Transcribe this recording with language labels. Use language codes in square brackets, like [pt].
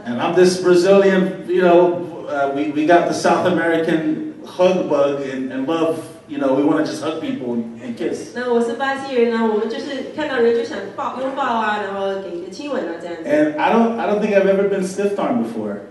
[en] And I'm this Brazilian, you know, we got the South American hug bug and love. You know, we want to just hug people and kiss. [zh] 那我是巴西人呢，我们就是看到人就想抱拥抱啊，然后给一个亲吻啊，这样子。 [en] And I don't think I've ever been stiff-armed before.